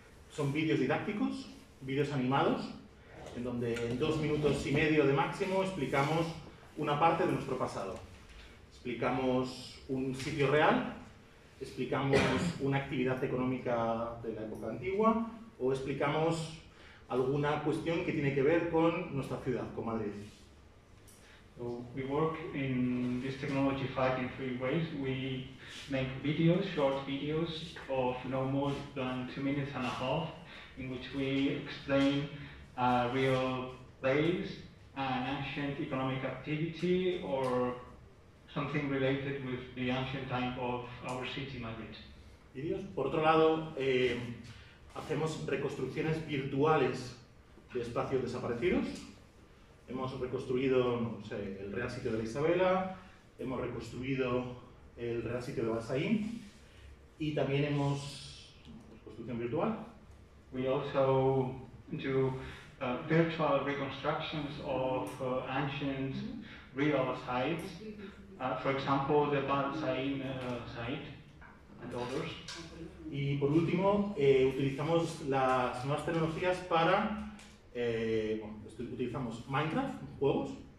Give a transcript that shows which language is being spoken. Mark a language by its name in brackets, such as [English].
[Spanish] Son vídeos didácticos, vídeos animados, en donde en 2 minutos y medio de máximo explicamos una parte de nuestro pasado. Explicamos un sitio real, explicamos una actividad económica de la época antigua o explicamos alguna cuestión que tiene que ver con nuestra ciudad, con Madrid. [English] So we work in this technology fight in 3 ways. We make videos, short videos of no more than 2.5 minutes, in which we explain a real place, an ancient economic activity, or something related with the ancient time of our city, Madrid. Videos. [Spanish] Por otro lado, hacemos reconstrucciones virtuales de espacios desaparecidos. Hemos reconstruido, no sé, el Real Sitio de la Isabela, hemos reconstruido el Real Sitio de Balsaín y también hemos reconstrucción virtual. [English] We also do virtual reconstructions of ancient real sites, for example the Balsaín site and others. [Spanish] Y por último, utilizamos las nuevas tecnologías para utilizamos Minecraft, juegos.